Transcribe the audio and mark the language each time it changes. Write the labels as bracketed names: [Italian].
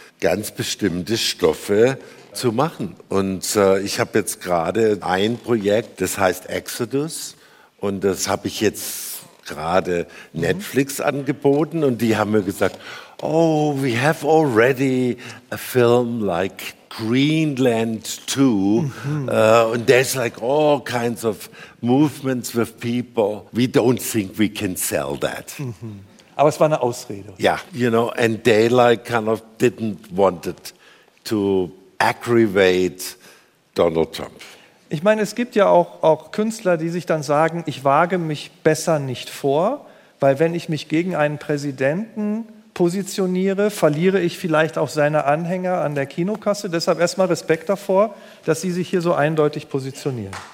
[German] ganz bestimmte Stoffe zu machen. Und ich habe jetzt gerade ein Projekt, das heißt Exodus. Und das habe ich jetzt gerade Netflix angeboten. Und die haben mir gesagt, [English] oh, we have already a film like Greenland 2. And there's like all kinds of movements with people. We don't think we can sell that. [German] Mm-hmm. Aber es war eine Ausrede. [English] Yeah, you know, and they like kind of didn't want it to aggravate Donald Trump. [German] Ich meine, es gibt ja auch Künstler, die sich dann sagen, ich wage mich besser nicht vor, weil wenn ich mich gegen einen Präsidenten positioniere, verliere ich vielleicht auch seine Anhänger an der Kinokasse. Deshalb erstmal Respekt davor, dass Sie sich hier so eindeutig positionieren.